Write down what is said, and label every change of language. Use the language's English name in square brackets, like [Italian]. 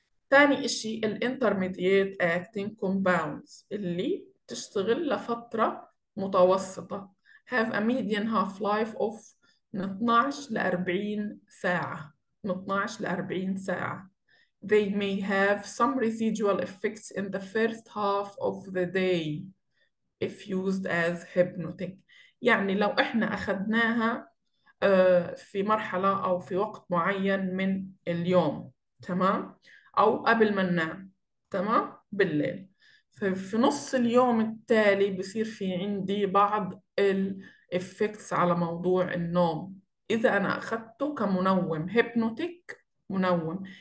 [Arabic] تاني إشي الانترميديت أكتينج كومباوندز اللي تشتغل لفترة متوسطة، [English] have a median half-life of [Arabic] من 12 ل 40 ساعة، من 12 ل 40 ساعة. [English] They may have some residual effects in the first half of the day if used as hypnotic. [Arabic] يعني لو احنا أخذناها في مرحلة أو في وقت معين من اليوم، تمام؟ أو قبل ما ننام، تمام؟ بالليل. ففي نص اليوم التالي بصير في عندي بعض الإفكتس على موضوع النوم إذا أنا أخذته كمنوم، هيبنوتيك منوم.